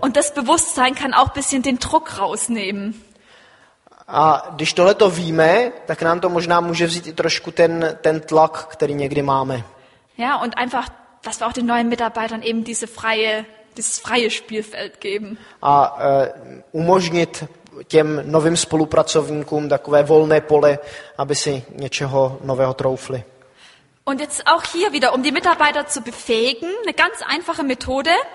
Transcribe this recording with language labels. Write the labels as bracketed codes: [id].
[de] Und das Bewusstsein kann auch ein bisschen den Druck rausnehmen. [cs] A když tohle to víme, tak nám to možná může vzít i trošku ten tlak, který někdy máme. [de] Ja, und einfach, dass wir auch den neuen Mitarbeitern eben dieses freie Spielfeld geben. [cs] A umožnit těm novým spolupracovníkům takové volné pole, aby si něčeho nového troufli. [de] Und jetzt auch hier wieder, um die Mitarbeiter zu befähigen, eine ganz einfache Methode.